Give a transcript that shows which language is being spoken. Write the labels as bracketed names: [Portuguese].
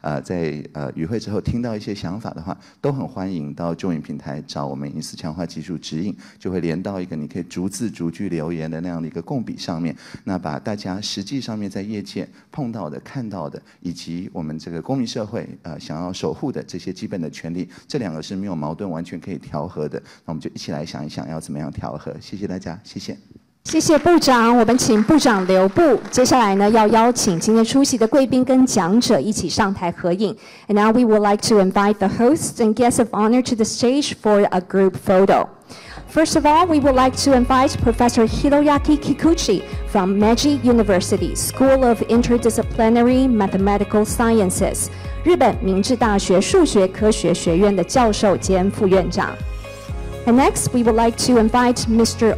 [Chinese] 在与会之后听到一些想法的话，都很欢迎到众影平台找我们隐私强化技术指引，就会连到一个你可以逐字逐句留言的那样的一个共笔上面，那把大家实际上面在业界碰到的看到的以及我们这个公民社会想要守护的这些基本的权利，这两个是没有矛盾完全可以调和的，那我们就一起来想一想要怎么样调和。谢谢大家，谢谢。谢谢部长，我们请部长留步。接下来呢，要邀请今天出席的贵宾跟讲者一起上台合影。 [English] And now we would like to invite the hosts and guests of honor to the stage for a group photo. First of all, we would like to invite Professor Hiroyuki Kikuchi from Meiji University School of Interdisciplinary Mathematical Sciences. [Chinese] 日本明治大学数学科学学院的教授兼副院长。 [English] And next, we would like to invite Mr.